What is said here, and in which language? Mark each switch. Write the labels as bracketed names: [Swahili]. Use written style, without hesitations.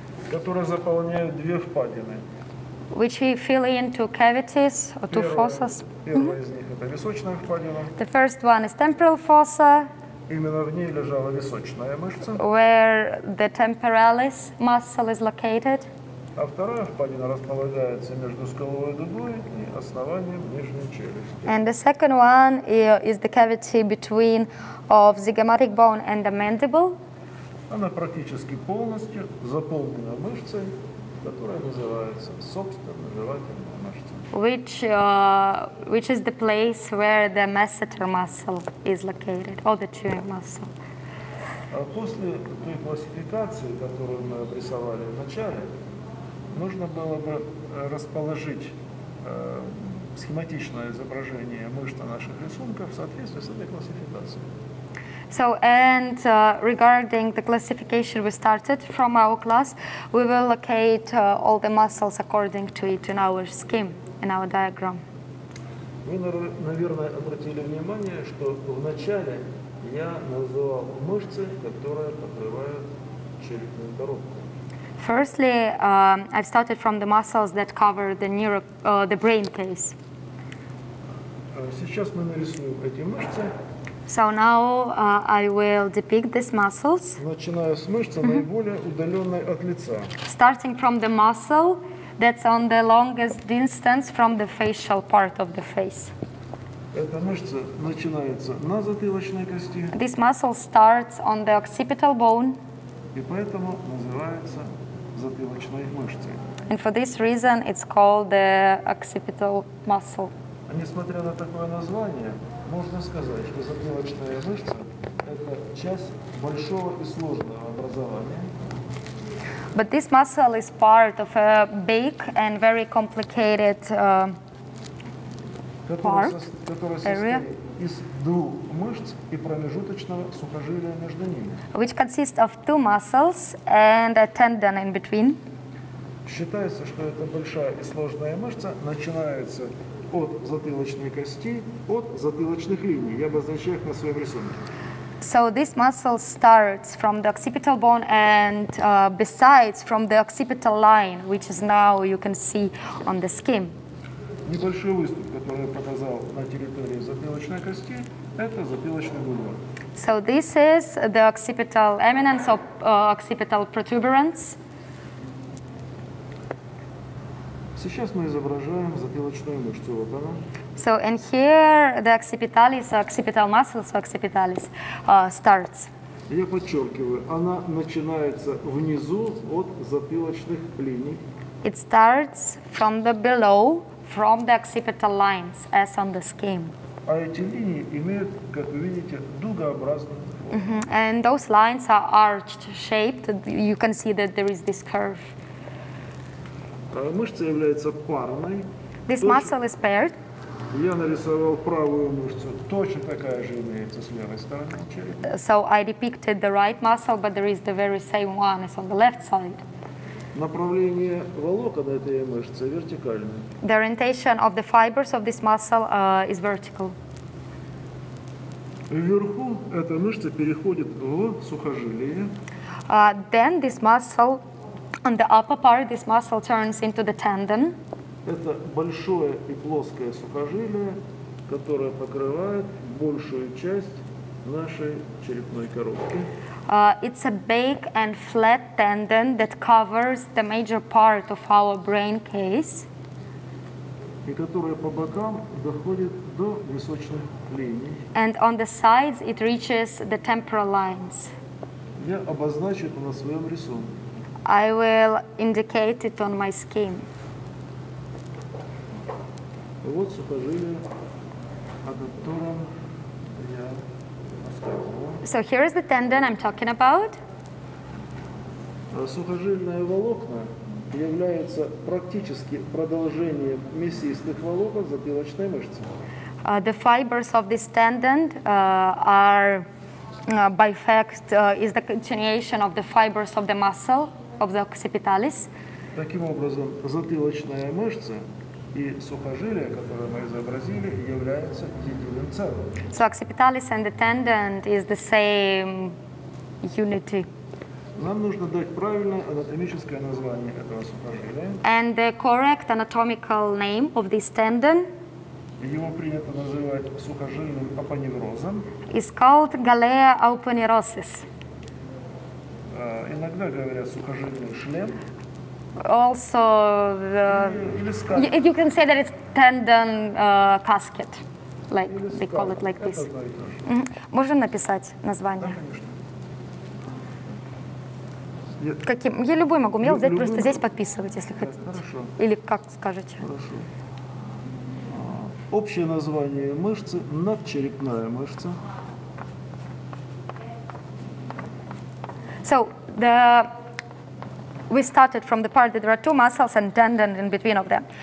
[Russian] Которые заполняют две впадины. [English] Which we fill in two cavities, or two fossas. [Russian] Первая mm-hmm. из них – это височная впадина. [English] The first one is temporal fossa. [Russian] Именно в ней лежала височная мышца. [English] Where the temporalis muscle is located. [Russian] А вторая впадина располагается между скуловой дугой и основанием нижней челюсти. [English] And the second one is the cavity between of zygomatic bone and the mandible. [Russian] Она практически полностью заполнена мышцей, которая называется собственно жевательная мышца. [English] Which is the place where the masseter muscle is located, or the chewing muscle. [Russian] А после той классификации, которую мы обрисовали в начале, нужно было бы расположить схематичное изображение мышц на наших рисунках в соответствии с этой классификацией. [English] So, and regarding the classification we started from our class, we will locate all the muscles according to it in our scheme, in our diagram. [Russian] Вы, наверное, обратили внимание, что в начале я называл мышцы, которые покрывают черепную коробку. [English] Firstly, I've started from the muscles that cover the the brain case. [Russian] Сейчас мы нарисуем эти мышцы. [English] So now I will depict these muscles. [Russian] Начиная с мышцы наиболее удаленной от лица. [English] Starting from the muscle that's on the longest distance from the facial part of the face. [Russian] Эта мышца начинается на затылочной кости. [English] This muscle starts on the occipital bone. [Russian] И поэтому называется затылочной мышцей. [English] And for this reason, it's called the occipital muscle. [Russian] Несмотря на такое название, можно сказать, что затылочная мышца – это часть большого и сложного образования. [English] But this muscle is part of a big and very complicated part, area. [Russian] Из двух мышц и промежуточного сухожилия между ними. [English] Which consists of two muscles and a tendon in between. [Russian] Считается, что эта большая и сложная мышца начинается от затылочной кости, от затылочных линий. Я обозначаю их на своем рисунке. [English] So this muscle starts from the occipital bone and besides from the occipital line, which is now you can see on the scheme. [Russian] Небольшой выступ, который я показал на территории затылочной кости, это затылочный бульон. [English] So this is the occipital eminence or occipital protuberance. [Russian] Сейчас мы изображаем затылочную мышцу. Вот она. [English] So and here the occipitalis, occipital muscles, occipitalis starts. [Russian] Я подчеркиваю, она начинается внизу от затылочных линий. [English] It starts from the below. From the occipital lines, as on the scheme. [Russian] А эти линии имеют, как вы видите, дугообразную форму. [English] Mm-hmm. And those lines are arched shaped. You can see that there is this curve. [Russian] Мышца является парной. [English] This muscle is paired. [Russian] Я нарисовал правую мышцу. Точно такая же имеется с левой стороны черепа. [English] So I depicted the right muscle, but there is the very same one as on the left side. [Russian] Направление волокон этой мышцы вертикальное. [English] The orientation of the fibers of this muscle is vertical. [Russian] Вверху эта мышца переходит в сухожилие. [English] Then this muscle, on the upper part, this muscle turns into the tendon. [Russian] Это большое и плоское сухожилие, которое покрывает большую часть нашей черепной коробки. [English] It's a big and flat tendon that covers the major part of our brain case. [Russian] И которая по бокам доходит до височных линий. [English] And on the sides it reaches the temporal lines. [Russian] Я обозначу это на своем рисунке. [English] I will indicate it on my skin. [Russian] Вот сухожилие, о котором я рассказывал. [English] So here is the tendon I'm talking about. [Russian] Сухожильные волокна являются практически продолжением мясистых волокон затылочной мышцы. [English] The fibers of this tendon are by fact is the continuation of the fibers of the muscle of the occipitalis. [Russian] Таким образом, затылочная мышца и сухожилие, которое мы изобразили, является единым целым. [English] So occipitalis and the tendon is the same unity. [Russian] Нам нужно дать правильное анатомическое название этого сухожилия. [English] And the correct anatomical name of this tendon. [Russian] Его принято называть сухожильным апоневрозом. [English] It's called galea aponeurosis. [Russian] Иногда говорят сухожильный шлем. [English] Also, you can say that it's tendon casket, like they call it like this. [Russian] Можем написать название? Каким? Я любой могу. Мел взять просто здесь подписывать, если хотите. Или как скажете. Общее название мышцы – надчерепная мышца. [English] So, we started from the part that there are two muscles and tendon in between of them.